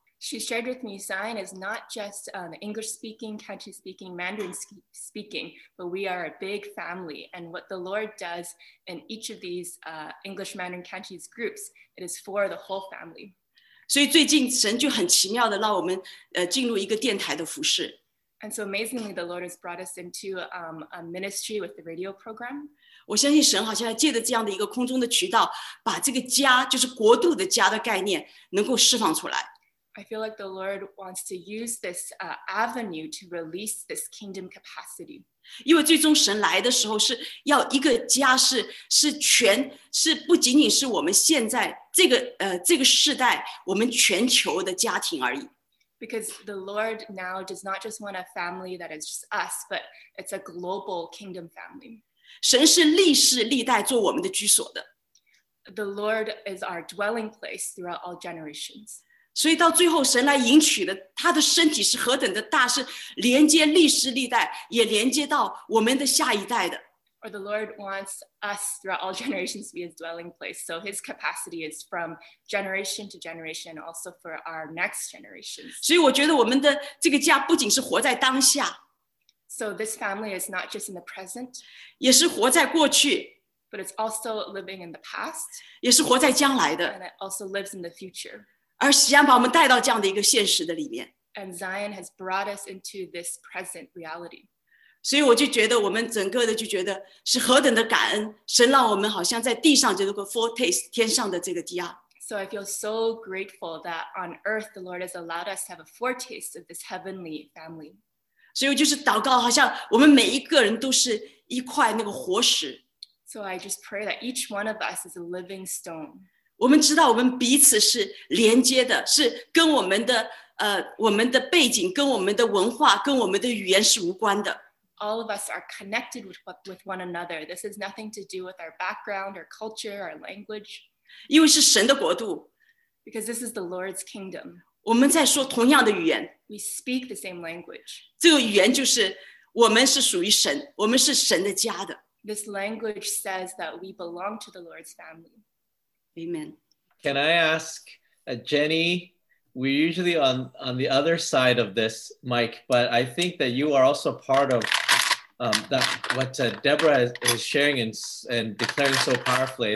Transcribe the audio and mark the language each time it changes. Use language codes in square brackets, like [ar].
[en] She shared with me, Zion is not just English-speaking, Cantonese-speaking, Mandarin-speaking, but we are a big family. And what the Lord does in each of these English, Mandarin, Cantonese groups, it is for the whole family. [zh] 所以最近神就很奇妙地让我们进入一个电台的服事。 [en] And so amazingly, the Lord has brought us into a ministry with the radio program. [zh] 我相信神好像借着这样的一个空中的渠道，把这个家，就是国度的家的概念，能够释放出来。 [en] I feel like the Lord wants to use this avenue to release this kingdom capacity. [zh] 因为最终神来的时候是要一个家，是全，是不仅仅是我们现在这个世代，我们全球的家庭而已。 [en] Because the Lord now does not just want a family that is just us, but it's a global kingdom family. [zh] 神是历世历代做我们的居所的。 [en] the Lord is our dwelling place throughout all generations. [zh] 所以到最后神来迎娶的他的身体是何等的大是连接历史历代也连接到我们的下一代的。 [en] Or the Lord wants us throughout all generations to be his dwelling place. So his capacity is from generation to generation, also for our next generations. [zh] 所以我觉得我们的这个家不仅是活在当下。 [en] So this family is not just in the present. [zh] 也是活在过去。 [en] But it's also living in the past. [zh] 也是活在将来的。 [en] And it also lives in the future. [zh] 而锡安把我们带到这样的一个现实的里面。 [en] And Zion has brought us into this present reality. [zh] 所以我就觉得我们整个的就觉得是何等的感恩神让我们好像在地上这个 foretaste 天上的这个家。 [en] So I feel so grateful that on earth the Lord has allowed us to have a foretaste of this heavenly family. [zh] 所以我就是祷告好像我们每一个人都是一块那个活石。 [en] So I just pray that each one of us is a living stone. [zh] 我们知道我们彼此是连接的是跟我们的我们的背景跟我们的文化跟我们的语言是无关的。 [en] All of us are connected with one another. This has nothing to do with our background, our culture, our language. [zh] 因为是神的国度。 [en] Because this is the Lord's kingdom. [zh] 我们在说同样的语言。 [en] We speak the same language. [zh] 这个语言就是我们是属于神，我们是神的家的。 [en] This language says that we belong to the Lord's family. Amen. Can I ask Jenny... We're usually on the other side of this mic, but I think that you are also part of that, what Deborah is sharing and declaring so powerfully.